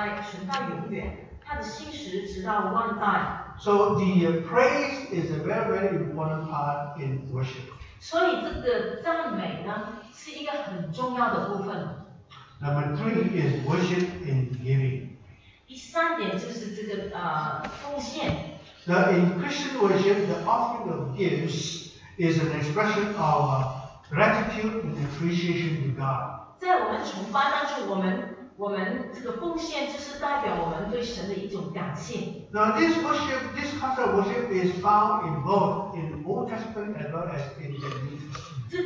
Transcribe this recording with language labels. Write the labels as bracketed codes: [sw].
[zh] 第一百章第二节，你们当乐意侍奉耶和华，当来向他唱歌，当称赞进入他的门，当赞美进入他的院，当感谢他称颂他的名，因为耶和华总是上他的慈爱存到永远，他的心实直到万代。 [en] So the praise is a very, very important part in worship. [zh] 所以这个赞美呢，是一个很重要的部分。 [en] Number three is worship in giving. [zh] 第三点就是这个奉献。 [en] Now in Christian worship, the offering of gifts is an expression of gratitude and appreciation to God. [zh] 在我们崇拜当中，我们这个奉献就是代表我们对神的一种感谢。 [en] Now this worship, this kind of worship is found in both in Old Testament as well as in the New Testament.